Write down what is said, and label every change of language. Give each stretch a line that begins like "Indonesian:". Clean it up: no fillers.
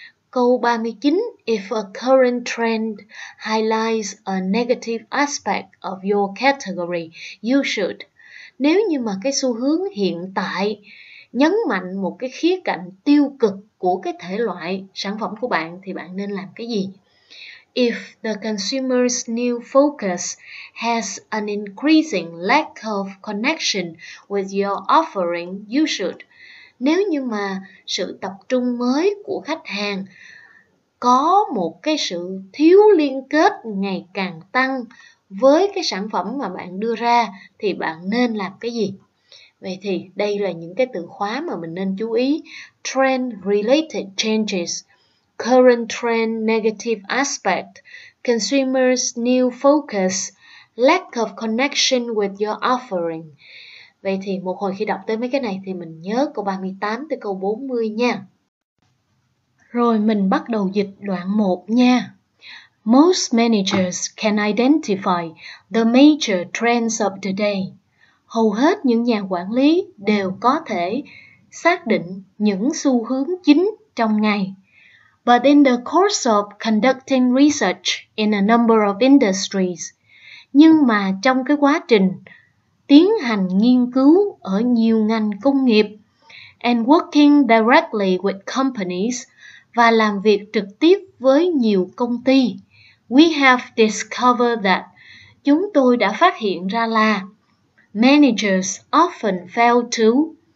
Vietnamese: Câu 39,
English: if a current trend highlights a negative aspect of your category you should.
Vietnamese: Nếu như mà cái xu hướng hiện tại nhấn mạnh một cái khía cạnh tiêu cực của cái thể loại sản phẩm của bạn thì bạn nên làm cái gì?
English: If the consumer's new focus has an increasing lack of connection with your offering, you should.
Vietnamese: Nếu như mà sự tập trung mới của khách hàng có một cái sự thiếu liên kết ngày càng tăng với cái sản phẩm mà bạn đưa ra thì bạn nên làm cái gì? Vậy thì đây là những cái từ khóa mà mình nên chú ý:
English: trend related changes, current trend negative aspect, consumers new focus, lack of connection with your offering.
Vietnamese: Vậy thì một hồi khi đọc tới mấy cái này thì mình nhớ câu 38 tới câu 40 nha. Rồi mình bắt đầu dịch đoạn 1 nha.
English: Most managers can identify the major trends of the day.
Vietnamese: Hầu hết những nhà quản lý đều có thể xác định những xu hướng chính trong ngày.
English: But in the course of conducting research in a number of industries,
Vietnamese: nhưng mà trong cái quá trình tiến hành nghiên cứu ở nhiều ngành công nghiệp
English: and working directly with companies
Vietnamese: và làm việc trực tiếp với nhiều công ty,
English: we have discovered that,
Vietnamese: chúng tôi đã phát hiện ra là
English: managers often fail to.